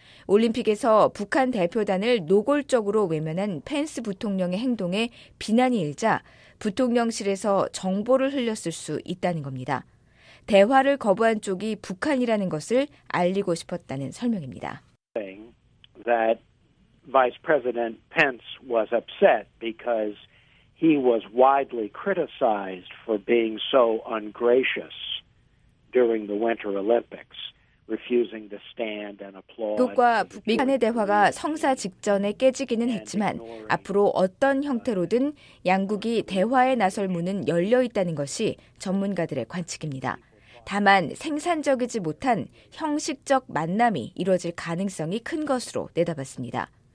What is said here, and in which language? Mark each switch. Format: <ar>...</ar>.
<ko>올림픽에서 북한 대표단을 노골적으로 외면한 펜스 부통령의 행동에 비난이 일자 부통령실에서 정보를 흘렸을 수 있다는 겁니다. 대화를 거부한 쪽이 북한이라는 것을 알리고 싶었다는 설명입니다.</ko> <en>That Vice President Pence was upset because he was widely criticized for being so ungracious during the Winter Olympics, refusing to stand and applaud.</en> <ko>미국과 북한의 대화가 성사 직전에 깨지기는 했지만 앞으로 어떤 형태로든 양국이 대화에 나설 문은 열려 있다는 것이 전문가들의 관측입니다. 다만 생산적이지 못한 형식적 만남이 이루어질 가능성이 큰 것으로 내다봤습니다.</ko>